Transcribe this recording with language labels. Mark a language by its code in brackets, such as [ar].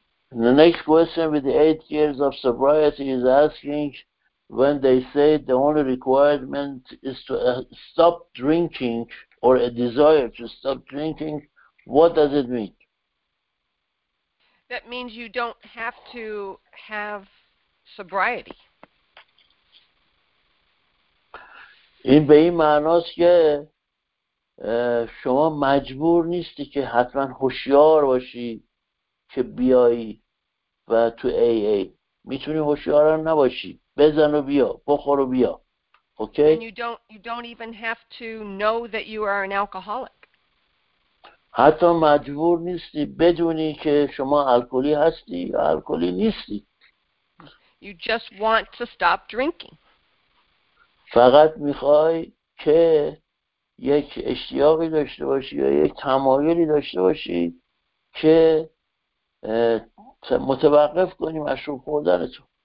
[en] The next question with the 8 years of sobriety is asking when they say the only requirement is to stop drinking or a desire to stop drinking, what does it mean? That means you don't have to have sobriety. [fa] این به این معناست که شما مجبور نیستی که حتما هوشیار باشی که بیایی و تو AA. میتونی هوشیار هم نباشی، بزن و بیا، بخور و بیا. [en] Okay? And you don't even have to know that you are an alcoholic. [fa] حتی مجبور نیستی بدونی که شما الکلی هستی یا الکلی نیستی. [en] You just want to stop drinking. [fa] فقط میخوای که یک اشتیاقی داشته باشی یا یک تمایلی داشته باشی که متوقف کنی مشروب خوردنتو.